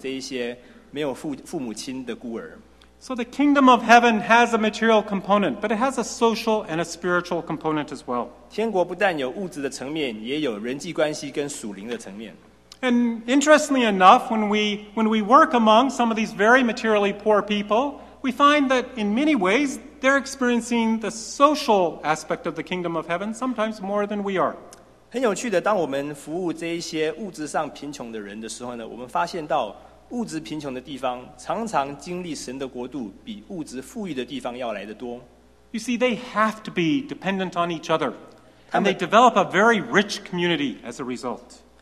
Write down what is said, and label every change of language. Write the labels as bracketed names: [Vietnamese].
[Chinese] 一系列的小额贷款不但帮助Florence养家活口，更让她帮助了这一些没有父母亲的孤儿。 [English] So the kingdom of heaven has a material component, but it has a social and a spiritual component as well. [Chinese] 天国不但有物质的层面，也有人际关系跟属灵的层面。 [English] And interestingly enough, when we work among some of these very materially poor people, we find that in many ways, they're experiencing the social aspect of the kingdom of heaven sometimes more than we are. [Chinese] 很有趣的，当我们服务这一些物质上贫穷的人的时候呢，我们发现到物质贫穷的地方常常经历神的国度比物质富裕的地方要来得多。 [English] You see, they have to be dependent on each other, and they develop a very rich community as a result.